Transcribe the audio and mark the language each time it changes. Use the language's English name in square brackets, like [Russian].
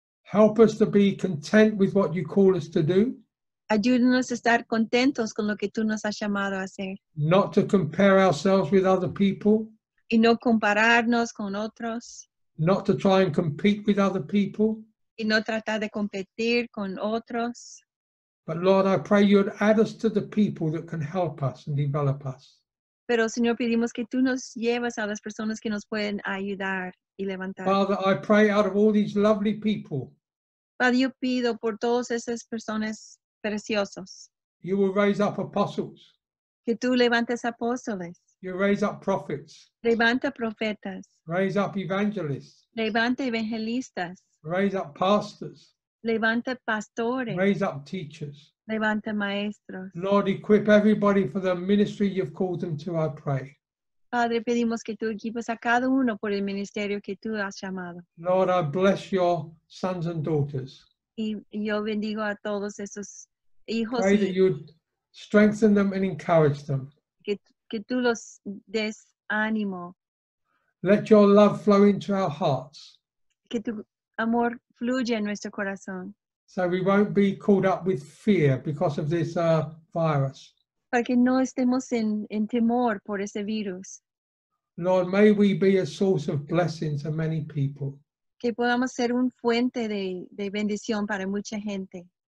[English] Help us to be content with what you call us to do. [Spanish] Ayúdanos a estar contentos con lo que tú nos has llamado a hacer. [English] Not to compare ourselves with other people. [Spanish] Y no compararnos con otros. [English] Not to try and compete with other people. [Spanish] Y no tratar de competir con otros. [English] But Lord, I pray you'd add us to the people that can help us and develop us. [Spanish] Pero Señor, pedimos que tú nos lleves a las personas que nos pueden ayudar y levantar. [English] Father, I pray out of all these lovely people. [Spanish] Padre, yo pido por todas esas personas preciosas. [English] You will raise up apostles. [Spanish] Que tú levantes apóstoles. [English] You raise up prophets. [Spanish] Levanta profetas. [English] Raise up evangelists. [Spanish] Levanta evangelistas. [English] Raise up pastors. [Spanish] Levanta pastores. [English] Raise up teachers. [Spanish] Levanta maestros. [English] Lord, equip everybody for the ministry you've called them to, I pray. [Spanish] Padre, pedimos que tú equipes a cada uno por el ministerio que tú has llamado. [English] Lord, I bless your sons and daughters. [Spanish] Y yo bendigo a todos esos hijos. [English] Pray that you strengthen them and encourage them. [Spanish] Que tú los des ánimo. [English] Let your love flow into our hearts. [Spanish] Que tu amor fluya en nuestro corazón. [English] So we won't be caught up with fear because of this virus. [Spanish] Para que no estemos en temor por ese virus. [English] Lord, may we be a source of blessing to many people. [Spanish] Que podamos ser un fuente de bendición para mucha gente.